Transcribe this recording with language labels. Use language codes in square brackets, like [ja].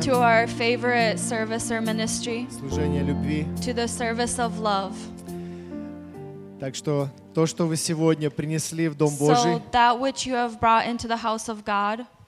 [en] to our favorite service or ministry, [ru] служение любви, [en] to the service of love. [ru] Так что то, что вы сегодня принесли в Дом Божий, [en] so that which you have brought into the house of God,